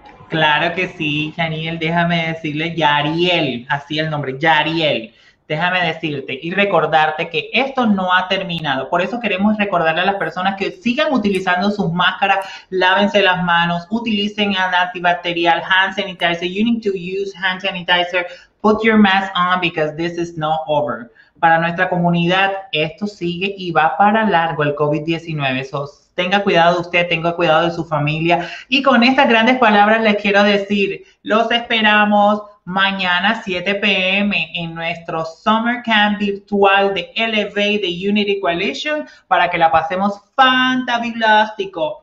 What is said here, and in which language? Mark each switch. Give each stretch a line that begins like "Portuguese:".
Spanish: Claro que sí, Yaniel, déjame decirle, Yariel, así el nombre, Yariel. Déjame decirte y recordarte que esto no ha terminado. Por eso queremos recordarle a las personas que sigan utilizando sus máscaras, lávense las manos, utilicen el antibacterial, hand sanitizer.
English: You need to use hand sanitizer. Put your mask on because this is not over.
Spanish: Para nuestra comunidad, esto sigue y va para largo el COVID-19. So, tenga cuidado de usted, tenga cuidado de su familia. Y con estas grandes palabras les quiero decir, los esperamos mañana 7 p.m. en nuestro Summer Camp virtual de Elevate the Unity Coalition para que la pasemos fantabilástico.